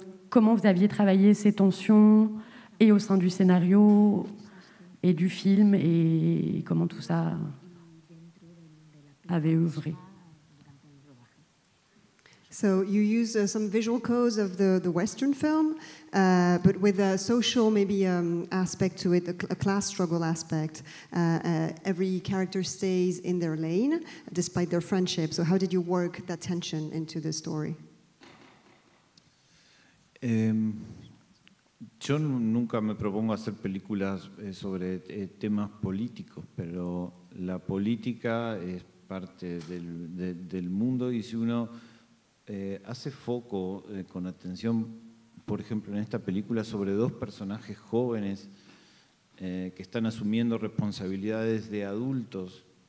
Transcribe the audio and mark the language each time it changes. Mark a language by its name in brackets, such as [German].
[French] Comment vous aviez travaillé ces tensions et au sein du scénario et du film et comment tout ça avait œuvré. [English] So you use some visual codes of the Western film, but with a social maybe aspect to it, a class struggle aspect. Every character stays in their lane despite their friendship. So how did you work that tension into the story? [Spanish] Yo nunca me propongo hacer películas sobre temas políticos, pero la política es parte del mundo y si uno hace foco con atención, por ejemplo, en esta película sobre dos personajes jóvenes que están asumiendo responsabilidades de adultos